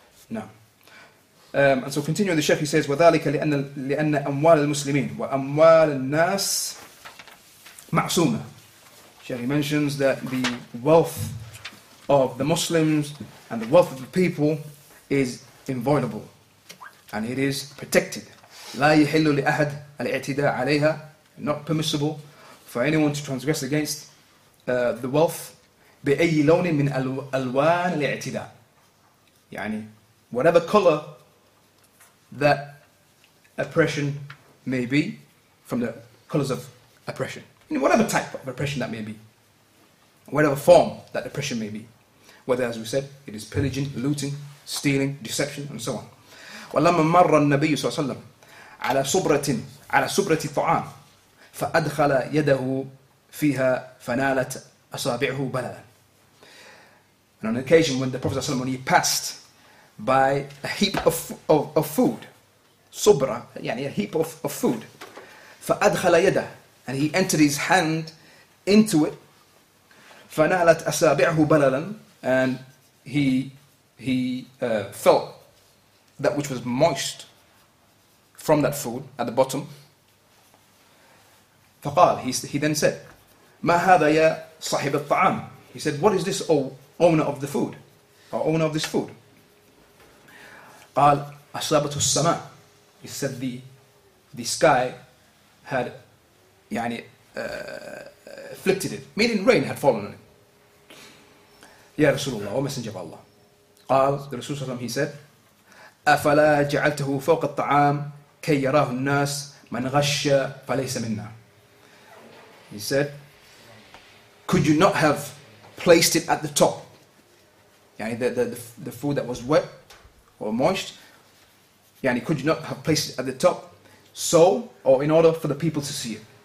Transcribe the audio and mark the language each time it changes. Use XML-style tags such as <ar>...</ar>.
<en>Now, and so continuing the sheikh, he says,</en> <ar>وَذَلِكَ لِأَنَّ أَمْوَالَ الْمُسْلِمِينَ وَأَمْوَالَ النَّاسِ مَعْصُومَ.</ar> <en>Sheikh, he mentions that the wealth of the Muslims and the wealth of the people is inviolable. And it is protected.</en> <ar>لا يحل لأحد الاعتداء عليها.</ar> <en>Not permissible for anyone to transgress against the wealth.</en> <ar>بأي لون من ألوان الاعتداء.</ar> <en>Whatever color that oppression may be, from the colors of oppression. Whatever type of oppression that may be. Whatever form that oppression may be. Whether, as we said, it is pillaging, looting, stealing, deception, and so on.</en> <ar>ولما مر النبي صلى الله عليه وسلم على سبرة طعام فأدخل يده فيها فنالت أصابعه بللا.</ar> <en>And on occasion when the Prophet صلى الله عليه وسلم, when he passed by a heap of food, سبرة, a heap of food,</en> <ar>فأدخل يده,</ar> <en>and he entered his hand into it,</en> <ar>فنالت أصابعه بللا,</ar> <en>and he felt that which was moist from that food at the bottom.</en> <ar>فقال,</ar> <en>he then said,</en> <ar>ما هذا يا صاحب الطعام.</ar> <en>He said, what is this, O owner of the food? Or owner of this food?</en> <ar>قال, أصابته السماء.</ar> <en>He said, the sky had afflicted it. Meaning rain had fallen on it.</en> <ar>يا رسول الله, ومسنجة الله. قال,</ar> <en>the Rasul Sallallahu Alaihi Wasallam, he said,</en> <ar>أفلا جعلته فوق الطعام كي يراه الناس من غش فليس منا.</ar> <en>He said, could you not have placed it at the top? The food that was wet or moist. Could you not have placed it at the top in order for the people to see it?</en>